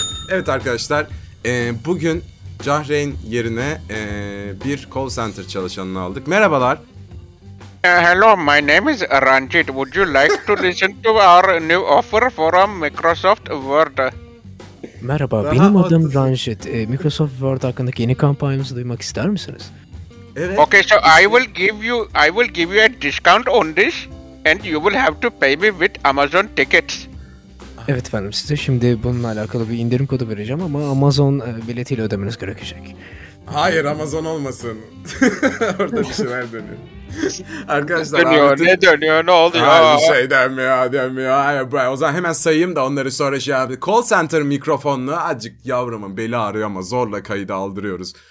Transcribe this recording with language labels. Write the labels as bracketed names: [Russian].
[Turkish] Evet arkadaşlar, bugün Cahre'nin yerine bir call center çalışanını aldık. Merhabalar. [English] Hello, my name is Ranjit. Would you like to listen to our new offer from Microsoft Word? [Turkish] Merhaba, daha benim adım Ranjit. Microsoft Word hakkındaki yeni kampanyamızı duymak ister misiniz? Evet. [English] Okay, so I will give you a discount on this and you will have to pay me with Amazon tickets. [Turkish] Evet efendim, size şimdi bununla alakalı bir indirim kodu vereceğim ama Amazon biletiyle ödemeniz gerekecek. Hayır, Amazon olmasın. Orada bir şeyler dönüyor. Arkadaşlar dönüyor, artık... Ne dönüyor ne oluyor? Hayır, bir şey dönmüyor. Hayır, o zaman hemen sayayım da onları sonra şey yapayım. Call center mikrofonunu azıcık yavrumun beli ağrıyor ama zorla kayıda aldırıyoruz.